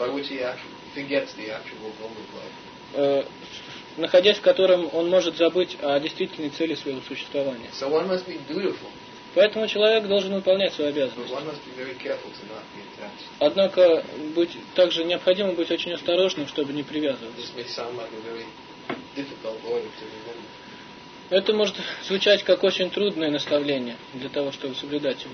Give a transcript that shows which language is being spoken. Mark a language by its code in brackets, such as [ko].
[en] by which he actually forgets the actual goal of life. [ru] Находясь в котором, он может забыть о действительной цели своего существования. [en] So one must be dutiful. [ru] Поэтому человек должен выполнять свою обязанность. [en] But one must be very careful to not be attached. [ru] Однако, также необходимо быть очень осторожным, чтобы не привязываться. [en] This may sound like a very difficult order to remember. [ru] Это может звучать как очень трудное наставление для того, чтобы соблюдать его.